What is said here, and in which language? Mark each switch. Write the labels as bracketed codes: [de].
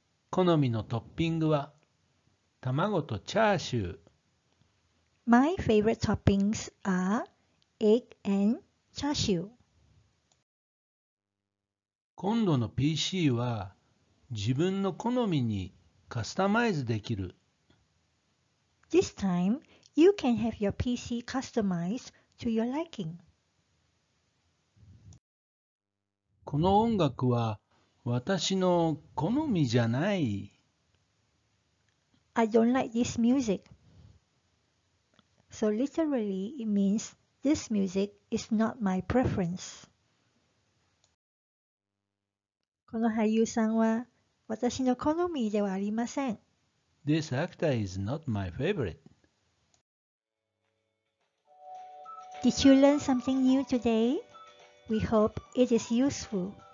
[ja] 好みのトッピングは卵とチャーシュー。 [en] My favorite toppings are egg and チャーシュー。 [ja] 今度の PC は自分の好みにカスタマイズできる。 [en] This time, you can have your PC customized to your liking. [ja] この音楽は私の好みじゃない。 [en] I don't like this music. So literally, it means this music is not my preference. [ja] この俳優さんは私の好みではありません。 [en] This actor is not my favorite. Did you learn something new today? We hope it is useful.